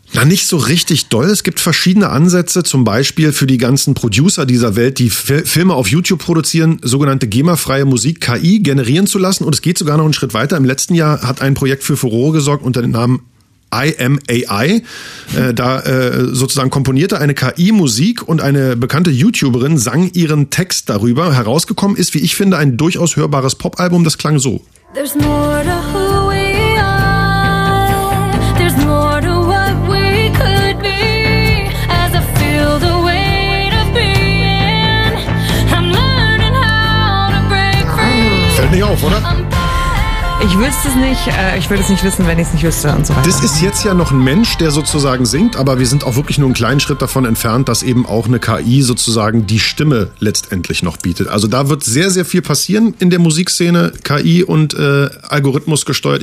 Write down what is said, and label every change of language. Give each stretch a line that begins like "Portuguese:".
German: Na, nicht so richtig doll. Es gibt verschiedene Ansätze, zum Beispiel für die ganzen Producer dieser Welt, die Filme auf YouTube produzieren, sogenannte GEMA-freie Musik KI generieren zu lassen. Und es geht sogar noch einen Schritt weiter. Im letzten Jahr hat ein Projekt für Furore gesorgt unter dem Namen IMAI. Sozusagen komponierte eine KI-Musik und eine bekannte YouTuberin sang ihren Text darüber. Herausgekommen ist, wie ich finde, ein durchaus hörbares Pop-Album. Das klang so.
English: There's more to who we are. There's more to what we could be. As I feel the weight of being, I'm learning how to break free.
German: Fällt nicht auf, oder? Ich wüsste es nicht, ich würde es nicht wissen, wenn ich es nicht wüsste und so weiter. Das ist jetzt ja noch ein Mensch, der sozusagen singt, aber wir sind auch wirklich nur einen kleinen Schritt davon entfernt, dass eben auch eine KI sozusagen die Stimme letztendlich noch bietet. Also da wird sehr, sehr viel passieren in der Musikszene, KI und Algorithmus gesteuert.